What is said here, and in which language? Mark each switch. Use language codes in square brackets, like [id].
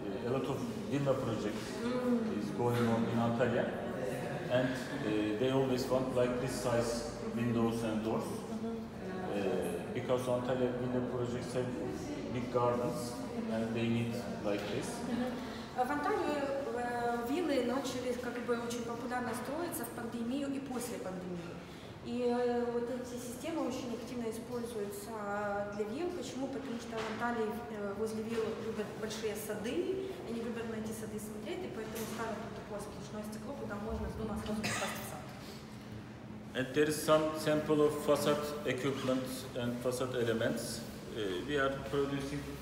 [en] A lot of villa project is going on in Antalya, and they always want like this size windows and doors because Antalya villa projects have big gardens, and they need like this. [ru] В Анталии виллы начали как бы очень популярно строиться в пандемию и после пандемии. И вот эти системы очень активно используются для вилл. Почему? Потому что в Анталии возле виллы любят большие сады, они любят на эти сады смотреть, и поэтому ставят вот такое сплошное стекло, куда можно с дома сразу попасть в сад. [en] And there is some sample of facade equipment and facade elements. We are producing